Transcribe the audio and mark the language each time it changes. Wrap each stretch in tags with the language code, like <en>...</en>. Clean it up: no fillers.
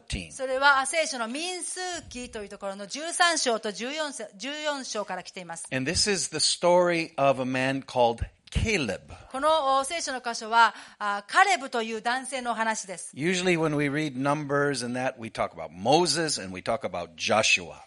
<ja>それは聖書の民数記というところの13章と14章から来ています。</ja> <en>And this is the story of a man called Caleb.</en> <ja>この聖書の箇所はカレブという男性の話です。</ja> <en>Usually when we read Numbers and that, we talk about Moses and we talk about Joshua.</en>